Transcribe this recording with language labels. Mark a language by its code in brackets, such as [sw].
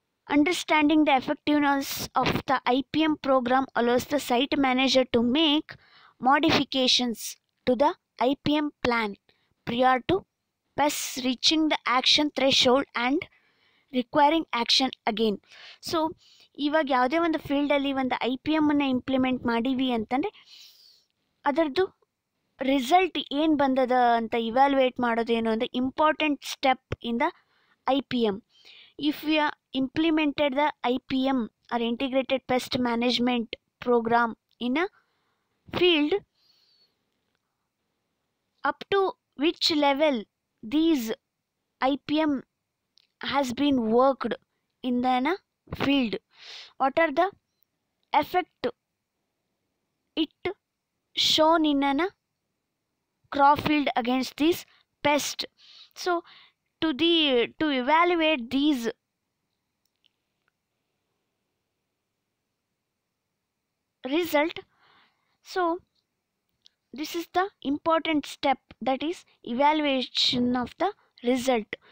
[en] Understanding the effectiveness of the IPM program allows the site manager to make modifications to the IPM plan prior to pests reaching the action threshold and requiring action again. [kn] So, ಇವಾಗ ಯಾವುದೇ ಒಂದು ಫೀಲ್ಡಲ್ಲಿ ಒಂದು I P ಎಮ್ಮನ್ನು implement ಮಾಡೀವಿ ಅಂತಂದರೆ ಅದರದ್ದು result ಏನು ಬಂದದ ಅಂತ ಇವ್ಯಾಲ್ಯುವೇಟ್ ಮಾಡೋದೇನು ಅಂದರೆ [en] Important step in the I P M. If you implemented the I P M or integrated pest management programme in a field, up to which level these I P M has been worked in the field, what are the effect it shown in a crop field against these pests. So to evaluate these result, so this is the important step, that is evaluation of the result.